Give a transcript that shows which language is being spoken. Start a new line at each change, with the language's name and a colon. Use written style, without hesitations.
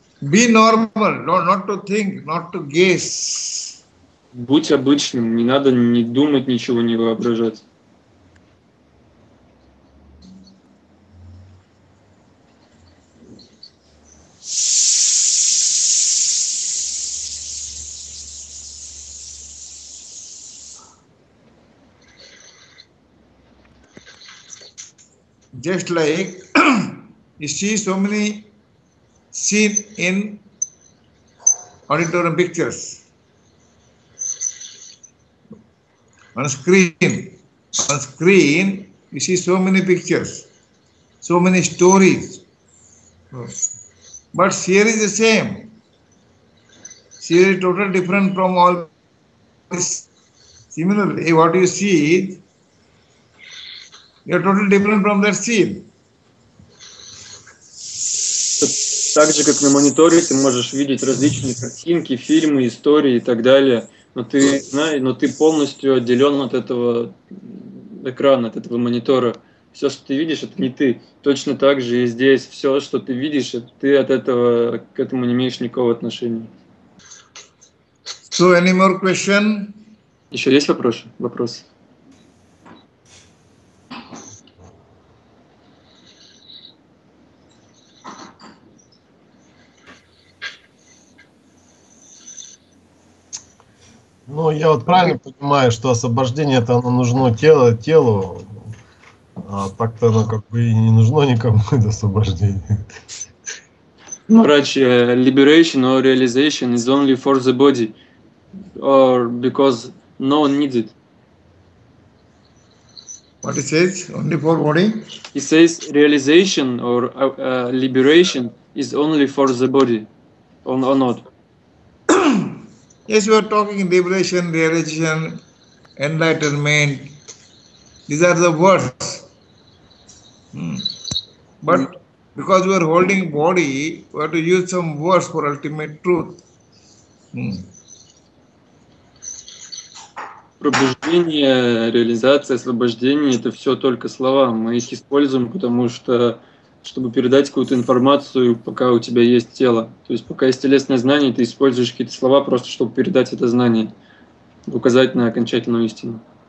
English: Be normal, not to think, not to guess.
Russian: Будь обычным, не надо ни думать, ничего не воображать.
English: Just like you see so many seen in auditorium pictures. On screen, you see so many pictures, so many stories. But here is the same. Here is totally different from all this. Similarly, what you see, you are totally different from that scene.
Russian: Так же, как на мониторе, ты можешь видеть различные картинки, фильмы, истории и так далее. Но ты полностью отделен от этого экрана, от этого монитора. Все, что ты видишь, это не ты. Точно так же и здесь. Все, что ты видишь, ты от этого к этому не имеешь никакого отношения.
English: So, any more question?
Russian: Еще есть вопросы? Вопрос. Ну, я вот правильно понимаю, что освобождение это оно нужно телу, а так-то оно как бы и не нужно никому, это освобождение. Врач,
English: liberation or realization is only for the body, or because no one needs it. What he says? Only for body? He says realization or liberation is only for the body, or not. Yes, we are talking liberation, realization, enlightenment. These are the words. But because we are holding body, we have to use some words for ultimate truth.
Russian: Пробуждение, реализация, освобождение — это все только слова. Мы их используем, потому что чтобы передать какую-то информацию, пока у тебя есть тело. То есть пока есть телесное знание, ты используешь какие-то слова просто, чтобы передать это знание, указать на окончательную истину.